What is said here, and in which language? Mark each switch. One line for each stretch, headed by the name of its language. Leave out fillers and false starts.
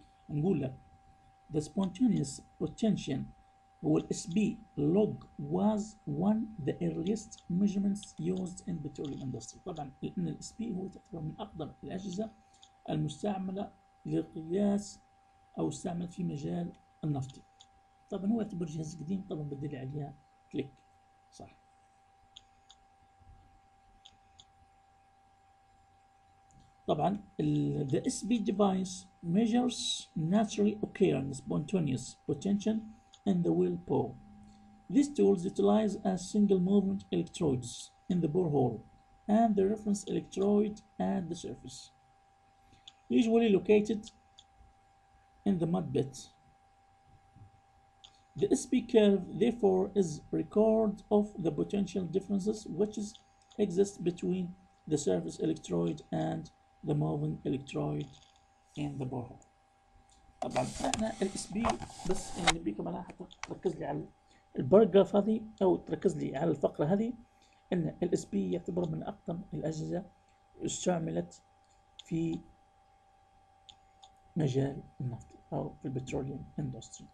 Arabic: نقول لك
English: the spontaneous potential هو الاس P log was one the earliest measurements used in petroleum industry.
Arabic: طبعا لان الاس بي هو تعتبر من اقدم الاجهزه المستعمله للقياس او استعملت في مجال النفطي. طبعا هو يعتبر جهاز قديم، طبعا بدل عليها كليك. صح، طبعا
English: the SB device measures naturally occurring spontaneous potential in the well bore. These tools utilize a single movement electrodes in the borehole and the reference electrode at the surface, usually located in the mud bed. The SP curve, therefore, is record of the potential differences which exist between the surface electrode and the moving electrode in the borehole.
Arabic: طبعا احنا ال SP بس بيكم على حتى تركز لي على البارجراف هذه او تركز لي على الفقره هذه، ان ال SP يعتبر من اقدم الاجهزه استعملت في مجال النفط او في البتروليوم اندستري.